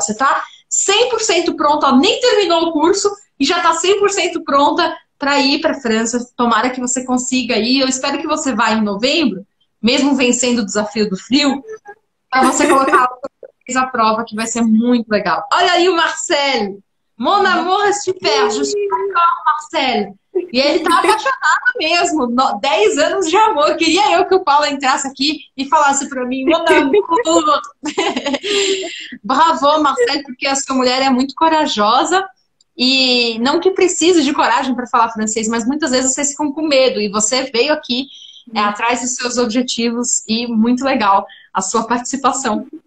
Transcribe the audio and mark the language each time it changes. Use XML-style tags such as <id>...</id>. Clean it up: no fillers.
<pt>Você está 100% pronta, nem terminou o curso e já está 100% pronta para ir para a França. Tomara que você consiga ir. Eu espero que você vá em novembro, mesmo vencendo o desafio do frio, para você colocar a prova que vai ser muito legal. Olha aí o Marcel!</pt> <fr>Mon amour, je suis perdu, je suis Marcel!</fr> <pt>E ele tá apaixonado mesmo! 10 anos de amor! Queria eu que o Paulo entrasse aqui e falasse para mim,</pt> <fr>mon amour!</fr> <pt>Bravo, Marcel, porque a sua mulher é muito corajosa e não que precise de coragem para falar francês, mas muitas vezes vocês ficam com medo e você veio aqui atrás dos seus objetivos e muito legal a sua participação.</pt>